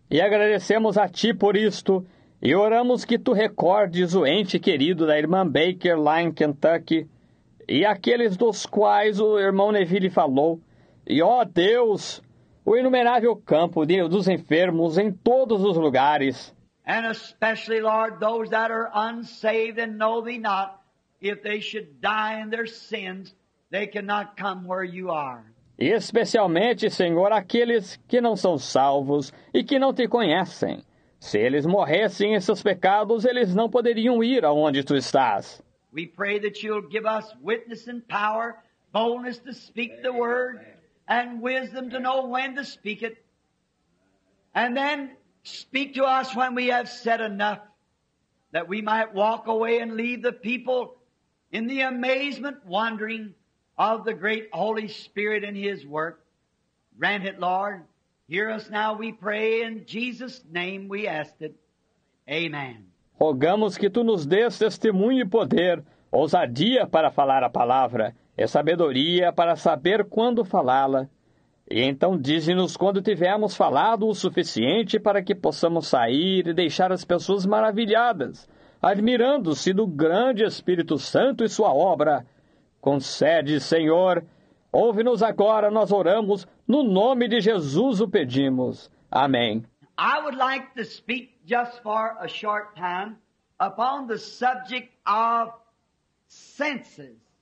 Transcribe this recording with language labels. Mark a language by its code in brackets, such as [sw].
[pt] E agradecemos a ti por isto e oramos que tu recordes o ente querido da irmã Baker lá em Kentucky e aqueles dos quais o irmão Neville falou. E, ó Deus, o inumerável campo dos enfermos em todos os lugares. [en] And especially, Lord, those that are unsaved and know thee not, if they should die in their sins, they cannot come where you are. [pt] E especialmente, Senhor, aqueles que não são salvos e que não te conhecem. Se eles morressem em seus pecados, eles não poderiam ir aonde tu estás. [en] We pray that you'll give us witness and power, boldness to speak the word, and wisdom to know when to speak it. And then speak to us when we have said enough, that we might walk away and leave the people in the amazement, wondering of the great Holy Spirit and His work. Grant it, Lord. Hear us now, we pray. In Jesus' name we ask it. Amen. [pt] Rogamos que tu nos dês testemunho e poder, ousadia para falar a palavra, é sabedoria para saber quando falá-la. E então dize-nos quando tivermos falado o suficiente para que possamos sair e deixar as pessoas maravilhadas, admirando-se do grande Espírito Santo e sua obra. Concede, Senhor, ouve-nos agora, nós oramos, no nome de Jesus o pedimos. Amém. [en] I would like to speak just for a short time upon the subject of senses.